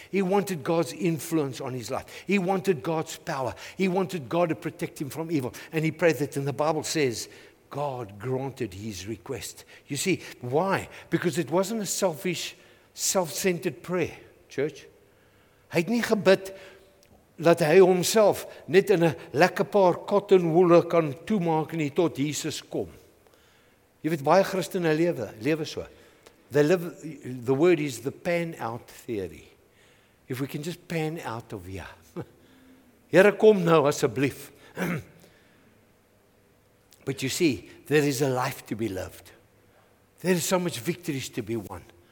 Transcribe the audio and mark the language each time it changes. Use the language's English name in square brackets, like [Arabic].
[English] He wanted God's influence on his life. He wanted God's power. He wanted God to protect him from evil. And he prayed that, and the Bible says, God granted his request. You see, why? Because it wasn't a selfish, self-centered prayer, church. [Afrikaans] Hy het nie gebid dat hy homself net in 'n lekker paar cotton woole kan toemaak nie tot Jesus kom. Jy weet, baie Christene lewe so. [English] They live, the word is the pan out theory. If we can just pan out of here. [Afrikaans] Here, kom nou asseblief. [English] But you see, there is a life to be lived. There is so much victories to be won.